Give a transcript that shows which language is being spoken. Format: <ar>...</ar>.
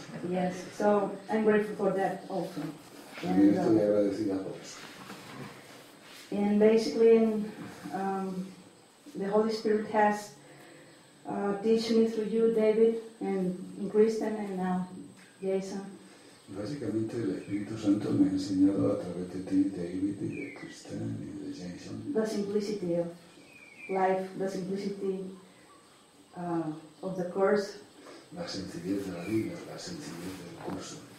<en>Yes, so I'm grateful for that also. And basically, the Holy Spirit has teach me through you, David, and Kirsten, and now Jason.</en> <es>Básicamente, el Espíritu Santo me ha enseñado a través de ti, David, y de Kirsten, y de Jason.</es> <en>The simplicity of life, the simplicity of the course.</en> <es>La sencillez de la vida, la sencillez del curso.</es>